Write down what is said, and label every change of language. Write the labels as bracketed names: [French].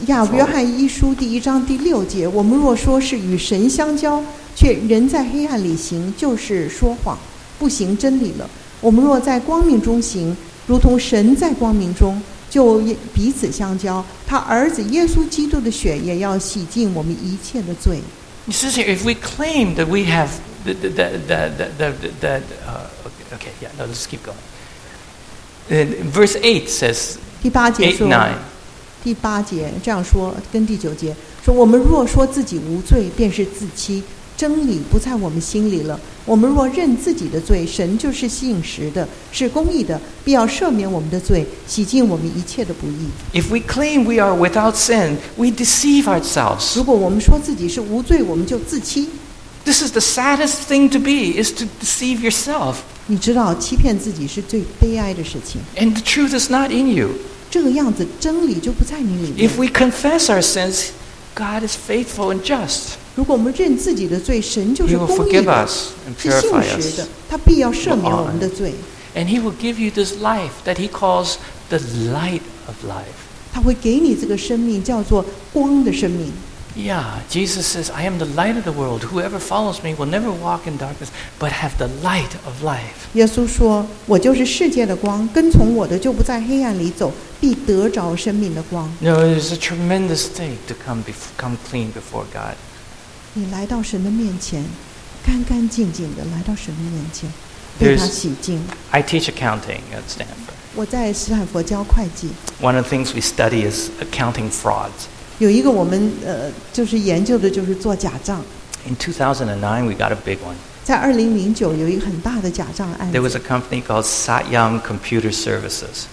[Chinese] 亚约翰一书第一章第六节，我们若说是与神相交，却仍在黑暗里行，就是说谎，不行真理了。我们若在光明中行，如同神在光明中，就彼此相交。他儿子耶稣基督的血也要洗净我们一切的罪。你试想 [English] ，if we claim that we have that, okay, yeah, no, let's keep going. Verse 8 says. [Chinese] 第八节说。第八节这样说，跟第九节说，我们若说自己无罪，便是自欺。真理不在我们心里了。我们若认自己的罪，神就是信实的，是公义的，必要赦免我们的罪，洗净我们一切的不义。 [English] If we claim we are without sin, we deceive ourselves. [Chinese] 如果我们说自己是无罪，我们就自欺。 [English] This is the saddest thing to be, is to deceive yourself. [Chinese] 你知道，欺骗自己是最悲哀的事情。 [English] And the truth is not in you. [Chinese] 这个样子，真理就不在你里面。 [English] If we confess our sins, God is faithful and just. [Chinese] 如果我们认自己的罪，神就是公义的，是信实的，他必要赦免我们的罪。 [English] And he will give you this life that he calls the light of life. [Chinese] 他会给你这个生命，叫做光的生命。 [English] Yeah, Jesus says, "I am the light of the world. Whoever follows me will never walk in darkness, but have the light of life." [Chinese] 耶稣说，我就是世界的光，跟从我的就不在黑暗里走，必得着生命的光。 [English] No, it is a tremendous thing to come clean before God. [Chinese] 你来到神的面前，干干净净的来到神的面前，被他洗净。 [English] I teach accounting at Stanford. [Chinese] 我在斯坦福教会计。 [English] One of the things we study is accounting frauds. [Chinese] 有一个我们就是研究的就是做假账。 [English] In 2009, we got a big one. [Chinese] 在2009有一个很大的假账案。 [English] There was a company called Satyam Computer Services.